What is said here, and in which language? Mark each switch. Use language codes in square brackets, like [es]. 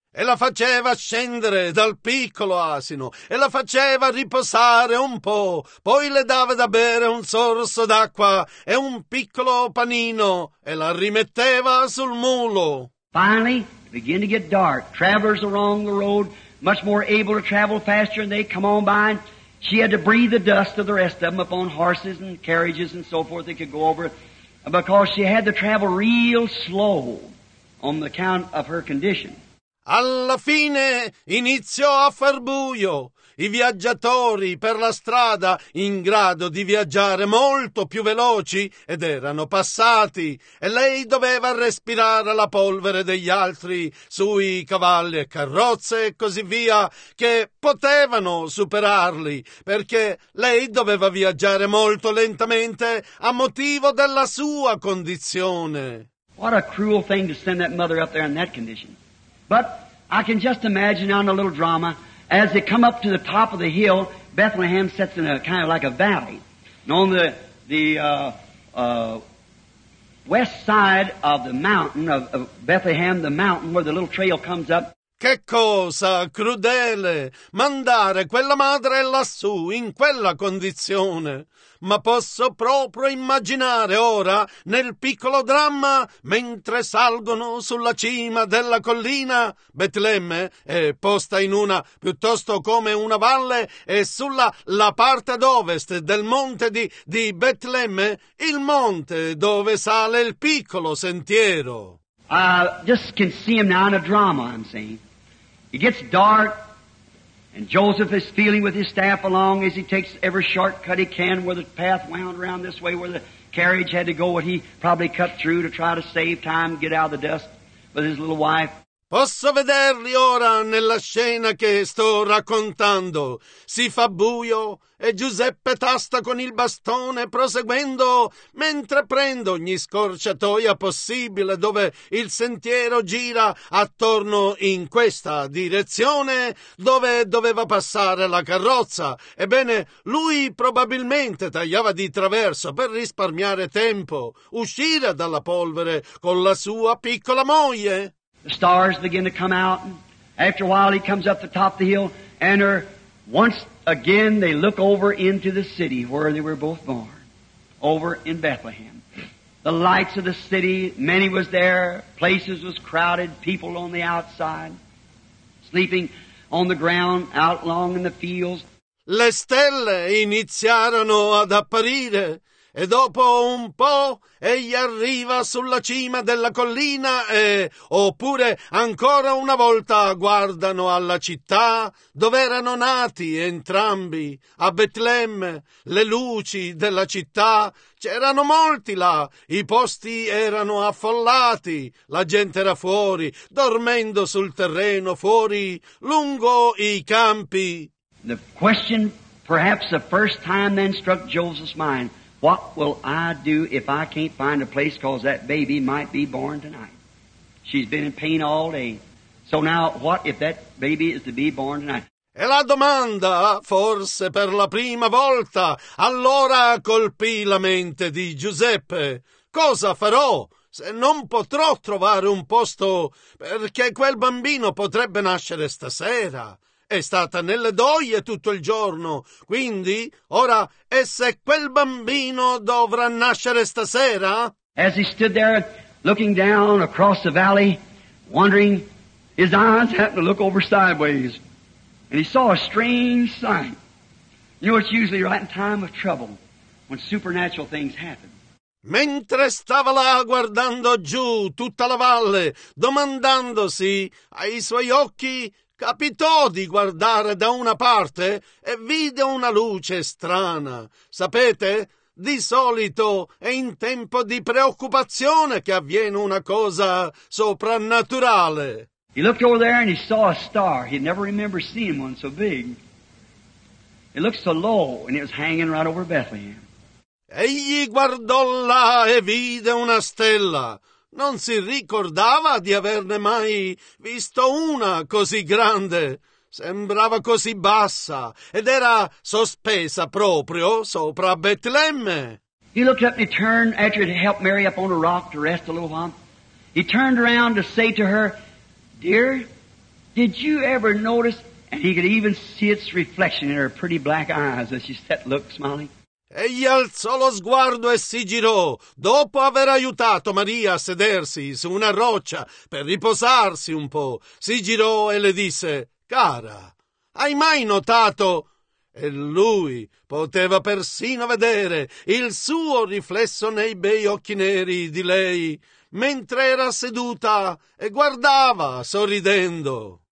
[it] E la faceva scendere dal piccolo asino, e la faceva riposare un po', poi le dava da bere un sorso d'acqua e un piccolo panino, e la rimetteva sul mulo. [en] Finally, it began to get dark. Travelers along the road, much more able to travel faster, and they come on by. She had to breathe the dust of the rest of them upon horses and carriages and so forth they could go over, because she had to travel real slow on the account of her condition. [it] Alla fine iniziò a far buio. I viaggiatori per la strada, in grado di viaggiare molto più veloci, ed erano passati, e lei doveva respirare la polvere degli altri sui cavalli e carrozze e così via, che potevano superarli, perché lei doveva viaggiare molto lentamente a motivo della sua condizione. [en] What a cruel thing to send that mother up there in that condition. But I can just imagine on a little drama, as they come up to the top of the hill, Bethlehem sits in a kind of like a valley. And on the west side of the mountain, of Bethlehem, the mountain where the little trail comes up. [it] Che cosa crudele mandare quella madre lassù in quella condizione. Ma posso proprio immaginare ora, nel piccolo dramma, mentre salgono sulla cima della collina, Betlemme è posta in una, piuttosto come una valle, e sulla la parte d'ovest del monte di Betlemme, il monte dove sale il piccolo sentiero. [en] Just can see him now in a drama, I'm saying. It gets dark, and Joseph is feeling with his staff along as he takes every shortcut he can where the path wound around this way, where the carriage had to go, what he probably cut through to try to save time, get out of the dust with his little wife. [it] Posso vederli ora nella scena che sto raccontando. Si fa buio e Giuseppe tasta con il bastone proseguendo mentre prende ogni scorciatoia possibile dove il sentiero gira attorno in questa direzione dove doveva passare la carrozza. Ebbene, lui probabilmente tagliava di traverso per risparmiare tempo, uscire dalla polvere con la sua piccola moglie. [en] The stars begin to come out, and after a while he comes up the top of the hill, and once again they look over into the city where they were both born, over in Bethlehem. the lights of the city, many was there, places was crowded, people on the outside, sleeping on the ground, out long in the fields. [it] Le stelle iniziarono ad apparire, e dopo un po' egli arriva sulla cima della collina e, oppure ancora una volta, guardano alla città dove erano nati entrambi, a Betlemme, le luci della città. C'erano molti là, i posti erano affollati, la gente era fuori, dormendo sul terreno fuori, lungo i campi. [en] The question, perhaps the first time then struck Joseph's mind. What will I do if I can't find a place because that baby might be born tonight? She's been in pain all day. So now, what if that baby is to be born tonight? [it] E la domanda, forse per la prima volta, allora colpì la mente di Giuseppe. Cosa farò se non potrò trovare un posto perché quel bambino potrebbe nascere stasera? È stata nelle doglie tutto il giorno, quindi ora, e se quel bambino dovrà nascere stasera? [en] As he stood there looking down across the valley, wondering, his eyes happened to look over sideways, and he saw a strange sight. You know, it's usually right in time of trouble when supernatural things happen. [it] Mentre stava là guardando giù tutta la valle, domandandosi ai suoi occhi, capitò di guardare da una parte e vide una luce strana. Sapete, di solito è in tempo di preoccupazione che avviene una cosa soprannaturale. [en] He looked over there and he saw a star. He never remembered seeing one so big. It looked so low and it was hanging right over Bethlehem. [it] Egli guardò là e vide una stella. Non si ricordava di averne mai visto una così grande. Sembrava così bassa ed era sospesa proprio sopra Betlemme. [en] He looked up and he turned after to help Mary up on a rock to rest a little while. He turned around to say to her, "Dear, did you ever notice?" And he could even see its reflection in her pretty black eyes as she sat looking, smiling. [it] Egli alzò lo sguardo e si girò, dopo aver aiutato Maria a sedersi su una roccia per riposarsi un po', si girò e le disse, «Cara, hai mai notato?» E lui poteva persino vedere il suo riflesso nei bei occhi neri di lei, mentre era seduta e guardava sorridendo.